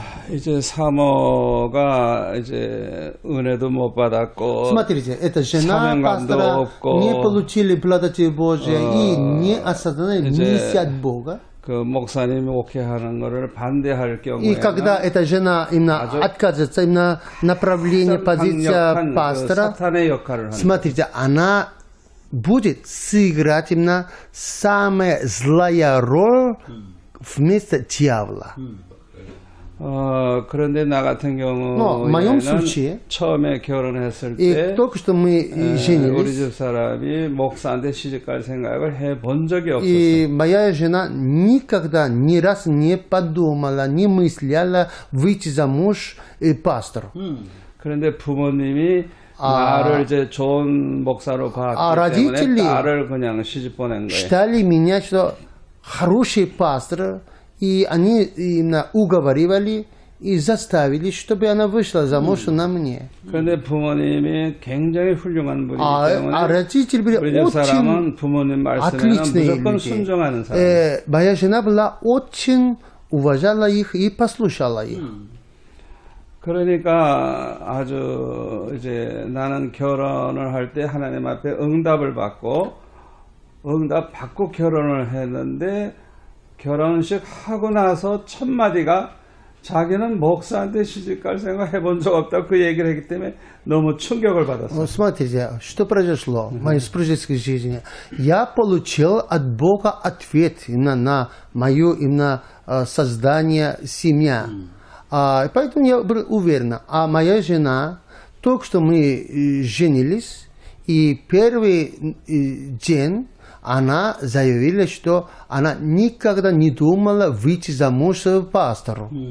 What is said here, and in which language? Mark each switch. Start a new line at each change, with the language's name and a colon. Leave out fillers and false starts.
Korean: 이제 사모가 이제 은혜도 못 받았고
Russian: смотрите, это жена пастора не получили благодати Божия и не осознали миссию от Бога.
Korean: 그 목사님이 목회하는 것을 반대할 경우에
Russian: и когда эта жена именно отказывается именно направление позиция пастора, смотрите, она будет сыграть именно самая злая роль вместо дьявола.
Korean: 그런데 나 같은 경우에는 처음에 결혼했을 때 우리 집사람이 목사한테 시집갈 생각을 해본 적이 없었어요.
Russian: 이 моя жена никогда ни раз не подумала, не мысляла выйти замуж и пастор.
Korean: 그런데 부모님이 나를 이제 좋은 목사로 봤기 때문에 나를 그냥 시집 보낸 거예요.
Russian: Считали меня, что хороший пастор. И они именно уговаривали и заставили, чтобы она вышла замуж на мне. Родители были очень отличные люди. Моя жена была очень уважала их и послушала их.
Korean: 그러니까 아주 이제 나는 결혼을 할 때 하나님 앞에 응답을 받고 응답 받고 결혼을 했는데 결혼식 하고 나서 첫 마디가 자기는 목사한테 시집갈 생각 해본 적 없다 그 얘기를 했기 때문에 너무 충격을 받았어요.
Russian: Смотрите, что произошло в моей супружеской жизни. Я получил от Бога ответ именно на мою именно создание семья. Поэтому я был уверен. А моя жена, только что мы женились, и первый день она заявила, что она никогда не думала выйти замуж за пастора.